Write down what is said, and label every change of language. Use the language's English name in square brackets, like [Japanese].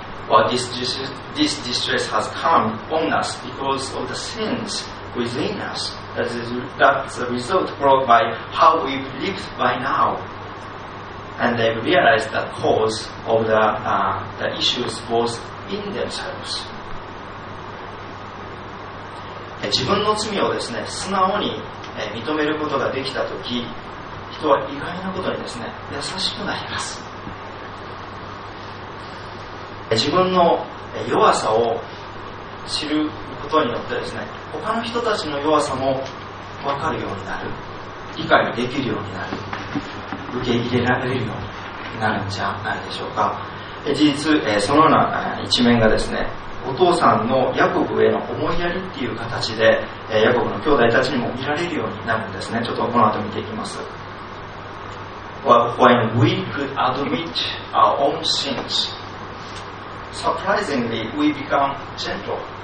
[English] Well, this distress has come on us because of the sins within us. That's the result brought by how we've lived by now. And they've realized the cause of the issues was in themselves. [Japanese] 自分の罪をですね、素直に認めることができたとき、人は意外なことにですね、優しくなります。自分の弱さを知ることによってですね、他の人たちの弱さも分かるようになる、理解できるようになる、受け入れられるようになるんじゃないでしょうか。事実、そのような一面がですね、お父さんのヤコブへの思いやりっていう形で、ヤコブの兄弟たちにも見られるようになるんですね。ちょっとこの後見ていきます。 [English] When we could admit our own sins, surprisingly we become gentle.